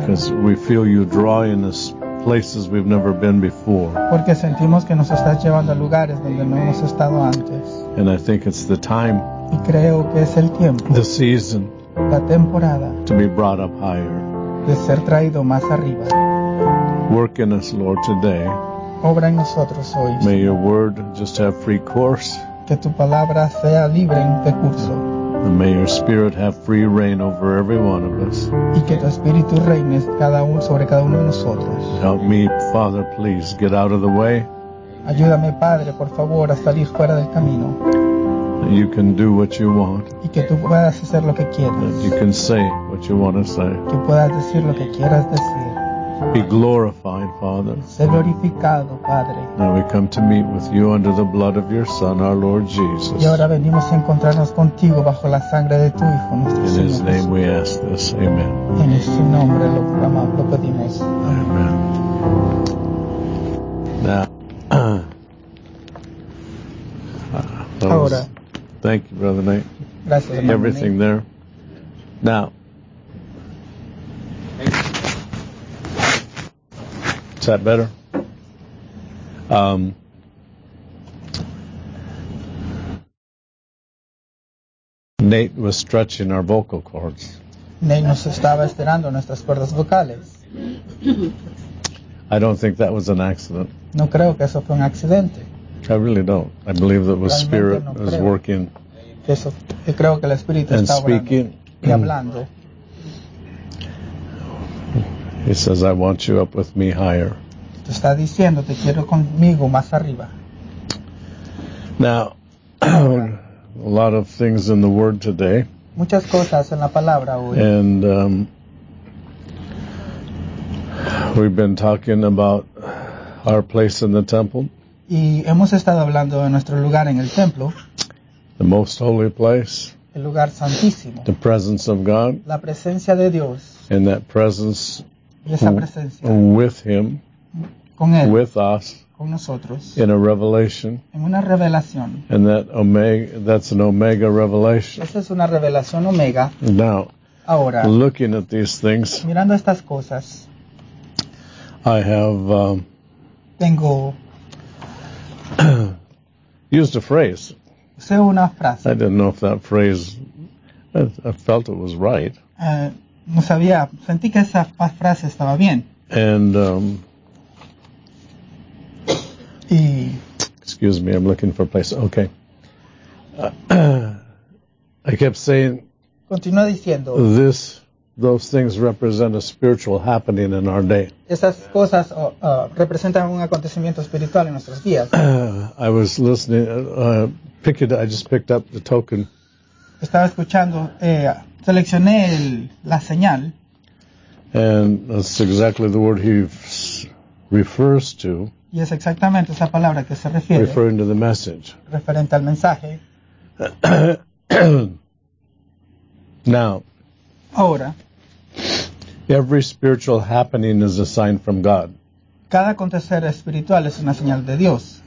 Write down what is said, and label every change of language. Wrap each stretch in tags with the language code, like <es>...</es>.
<en>Because we feel you drawing us places we've never been before.</en> <es>Porque sentimos que nos estás llevando a lugares donde no hemos estado antes.</es> <en>And I think it's the time.</en> <es>Y creo que es el tiempo.</es> <en>The season.</en> <es>La temporada.</es> <en>To be brought up higher.</en> <es>De ser traído más arriba.</es> <en>Work in us, Lord, today.</en> <es>Obra en nosotros hoy.</es> <en>May your word just have free course.</en> <es>Que tu palabra sea libre de curso.</es> <en>And may your spirit have free reign over every one of us.</en> <es>Y que tu espíritu reine sobre cada uno de nosotros.</es> <en>Help me, Father, please, get out of the way.</en> <es>Ayúdame, Padre, por favor, a salir fuera del camino.</es> <en>You can do what you want.</en> <es>Y que tú puedas hacer lo que quieras.</es> <en>You can say what you want to say.</en> <es>Que puedas decir lo que quieras decir.</es> <en>Be glorified, Father.</en> <es>Sé glorificado, Padre.</es> <en>Now we come to meet with you under the blood of your Son, our Lord Jesus.</en> <es>Y ahora venimos a encontrarnos contigo bajo la sangre de tu Hijo, nuestro Señor.</es> <en>In his name we ask this. Amen.</en> <es>En su nombre lo pedimos.</es> <en>Amen. Now,</en> <es>ahora.</es> <en>Thank you, Brother Nate.</en> <es>Gracias,</es> <en>everything</en> <es>Nate.</es> <en>There. Now. Is that better? Nate was stretching our vocal cords.</en> <es>Nate nos estaba estirando nuestras cuerdas vocales.</es> <en>I don't think that was an accident.</en> <es>No creo que eso fue un accidente.</es> <en>I really don't. I believe that was spirit</en> <es>no</es> <en>was</en> <es>creo.</es> <en>Working.</en> <es>Eso, yo creo que el Espíritu</es> <en>and</en> <es>está</es> <en>speaking,</en> <es>y hablando.</es> <en>He says, I want you up with me higher.</en> <es>Te está diciendo, te quiero conmigo más arriba.</es> <en>Now, a lot of things in the Word today.</en> <es>Muchas cosas en la palabra hoy.</es> <en>And we've been talking about our place in the temple.</en> <es>Y hemos estado hablando de nuestro lugar en el templo.</es> <en>The most holy place.</en> <es>El lugar santísimo.</es> <en>The presence of God.</en> <es>La presencia de Dios.</es> <en>And that presence.</en> <es>Y esa presencia.</es> <en>With him.</en> <es>Con él.</es> <en>With us.</en> <es>Con nosotros.</es> <en>In a revelation.</en> <es>En una revelación.</es> <en>And that's an omega revelation.</en> <es>Esa es una revelación omega.</es> <en>Now.</en> <es>Ahora.</es> <en>Looking at these things.</en> <es>Mirando estas cosas.</es> <en>I have.</en> <es>Tengo.</es> <en>used a phrase.</en> <es>Una frase.</es> <en>I didn't know if that phrase, I felt it was right.</en> <es>No sabía, sentí que esa frase estaba bien.</es> <en>And,</en> <es>y,</es> <en>excuse me, I'm looking for a place. Okay. I kept saying,</en> <es>continúa diciendo,</es> <en>this, those things represent a spiritual happening in our day.</en> <es>Esas cosas representan un acontecimiento espiritual en nuestros días.</es> <en>I was listening, I just picked up the token.</en> <es>Estaba escuchando, seleccioné la señal.</es> <en>And that's exactly the word he refers to.</en> <es>Y es exactamente esa palabra que se refiere.</es> <en>Referring to the message.</en> <es>Referente al mensaje.</es> <en>Now.</en> <es>Ahora.</es> <en>Every spiritual happening is a sign from God.</en> <es>Cada acontecer espiritual es una señal de Dios.</es>